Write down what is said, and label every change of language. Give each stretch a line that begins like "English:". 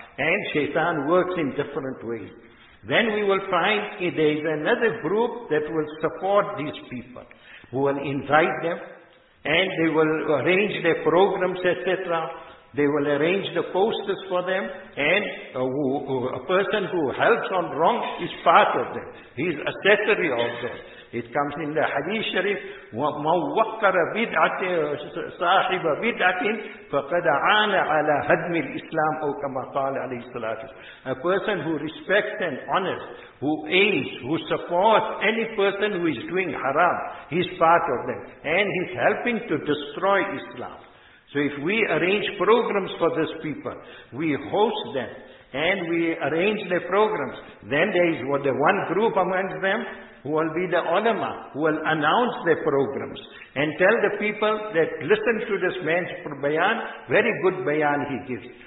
English: And shaitan works in different ways. Then we will find there is another group that will support these people, who will invite them, and they will arrange their programs, etc. They will arrange the posters for them, and a person who helps on wrong is part of them. He is accessory of them. It comes in the Hadith Sharif,
Arabic: وَمَنْ وَقَّرَ بِدْعَةٍ صَاحِبَ بِدْعَةٍ فَقَدْ عَانَ عَلَى هَدْمِ الْإِسْلَامِ أَوْ كَمَا قَالَ عَلَيْهِ الصَّلَاةُ.
English: A person who respects and honors, who aids, who supports any person who is doing haram, he is part of them. And he is helping to destroy Islam. So if we arrange programs for these people, we host them, and we arrange their programs, then there is the one group amongst them who will be the ulama, who will announce their programs and tell the people that listen to this man's bayan, very good bayan he gives.